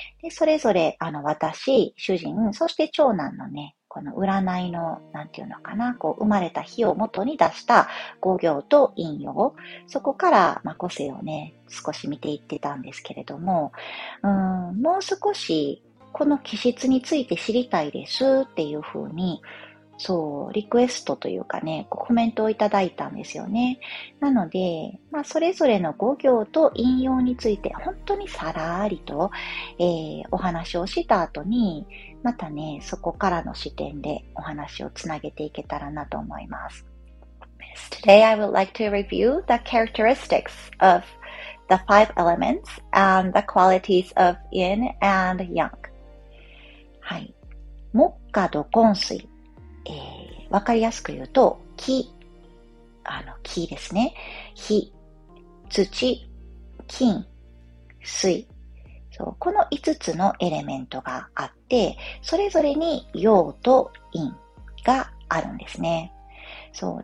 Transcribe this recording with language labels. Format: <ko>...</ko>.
<ja>で、それぞれ、私、主人、そして長男のね、この占いの、なんていうのかな、こう、生まれた日を元に出した五行と陰陽、そこから、まあ、個性をね、少し見ていってたんですけれども、もう少し、この気質について知りたいですっていうふうに、そう、リクエストというかね、コメントをいただいたんですよね。なので、まあ、それぞれの五行と陰陽について、本当にさらーりと、お話をした後に、またね、そこからの視点でお話をつなげていけたらなと思います。</ja> <en>Today I would like to review the characteristics of the five elements and the qualities of yin and yang.</en> <ja>はい。木火土金水。わかりやすく言うと、木、木ですね。火、土、金、水。そう、この5つのエレメントがあって、それぞれに陽と陰があるんですね。そう。</ja>